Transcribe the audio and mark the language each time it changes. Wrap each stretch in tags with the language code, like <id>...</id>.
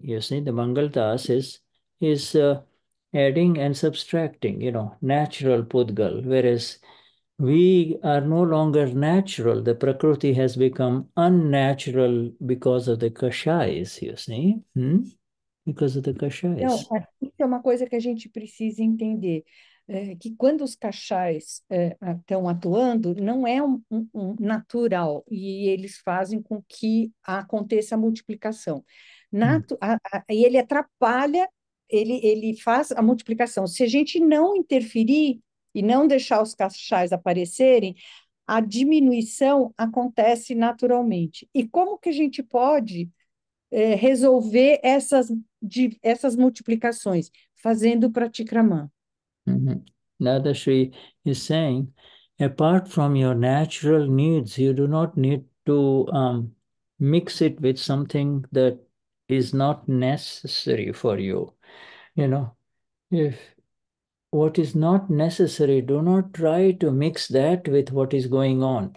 <en>You see, the Mangal Das is adding and subtracting, you know, natural Pudgal, whereas we are no longer natural. The Prakriti has become unnatural because of the Kashais, you see? Because of the</en> <pt>Então,</pt> <en>Kashais.</en> <pt>isso é uma coisa que a gente precisa entender, que quando os cachais estão atuando, não é um natural e eles fazem com que aconteça a multiplicação. Ele atrapalha, ele faz a multiplicação. Se a gente não interferir e não deixar os cachais aparecerem, a diminuição acontece naturalmente. E como que a gente pode resolver essas multiplicações, fazendo pratikraman.</pt> <en>Dadashri is saying, apart from your natural needs, you do not need to mix it with something that is not necessary for you. You know, if what is not necessary, do not try to mix that with what is going on.</en>